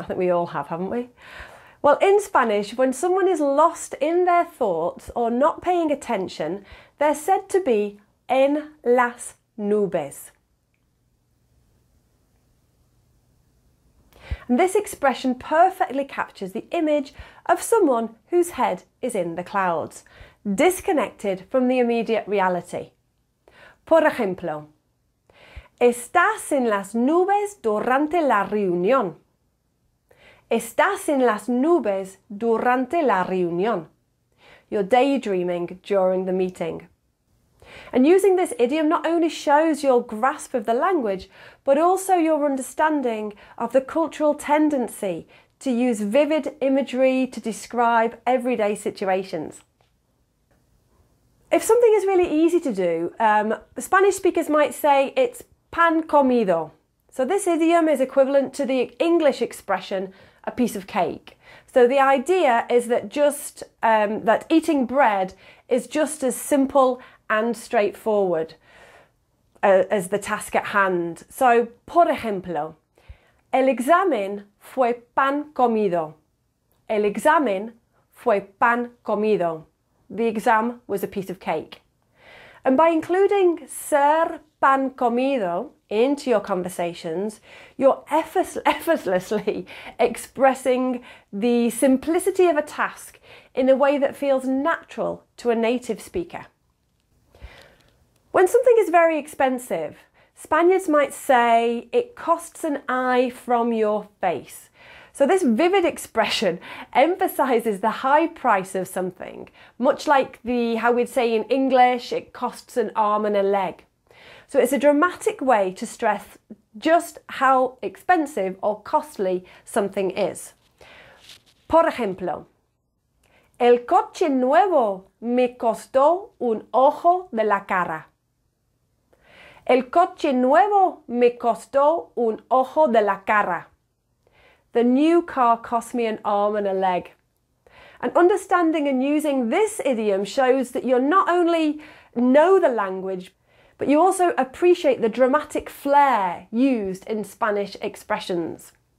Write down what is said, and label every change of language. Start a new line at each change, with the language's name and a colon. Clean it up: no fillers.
English: I think we all have, haven't we? Well, in Spanish, when someone is lost in their thoughts or not paying attention, they're said to be
Spanish: en las nubes.
English: And this expression perfectly captures the image of someone whose head is in the clouds, disconnected from the immediate reality.
Spanish: Por ejemplo, estás en las nubes durante la reunión. Estás en las nubes durante la reunión.
English: You're daydreaming during the meeting. And using this idiom not only shows your grasp of the language, but also your understanding of the cultural tendency to use vivid imagery to describe everyday situations. If something is really easy to do, Spanish speakers might say it's
Spanish: pan comido.
English: So this idiom is equivalent to the English expression, a piece of cake. So the idea is that that eating bread is just as simple and straightforward as the task at hand. So,
Spanish: por ejemplo, el examen fue pan comido. El examen fue pan comido.
English: The exam was a piece of cake. And by including
Spanish: ser pan comido
English: into your conversations, you're effortlessly expressing the simplicity of a task in a way that feels natural to a native speaker. When something is very expensive, Spaniards might say it costs
Spanish: an eye from your face.
English: So this vivid expression emphasizes the high price of something, much like how we'd say in English, it costs an arm and a leg. So it's a dramatic way to stress just how expensive or costly something is.
Spanish: Por ejemplo, el coche nuevo me costó un ojo de la cara. El coche nuevo me costó un ojo de la cara.
English: The new car cost me an arm and a leg. And understanding and using this idiom shows that you not only know the language, but you also appreciate the dramatic flair used in Spanish expressions.